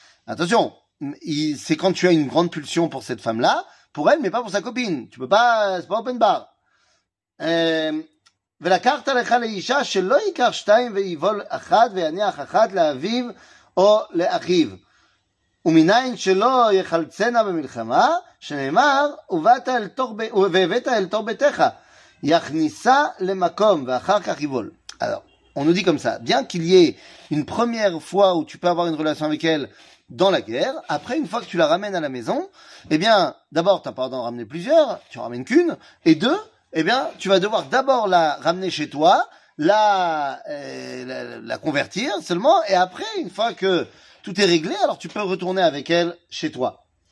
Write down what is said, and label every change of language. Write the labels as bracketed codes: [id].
[fr] Attention, c'est quand tu as une grande pulsion pour cette femme là, pour elle mais pas pour sa copine, tu peux pas, c'est pas open bar. [he] ולקחת לך לאישה שלא ייקח שתיים ויבול אחת ויניח אחת לאביו או לאחיו ומניין שלא יחלצנה במלחמה שנאמר ובאת אל תור ב... והבאת אל תור ביתך יכניסה למקום ואחר כך יבול. [fr] Alors, on nous dit comme ça, bien qu'il y ait une première fois où tu peux avoir une relation avec elle dans la guerre, après une fois que tu la ramènes à la maison, eh bien d'abord tu n'as pas à en ramener plusieurs, tu en ramènes qu'une, et deux, eh bien tu vas devoir d'abord la ramener chez toi, la convertir seulement, et après une fois que tout est réglé, alors tu peux retourner avec elle chez toi.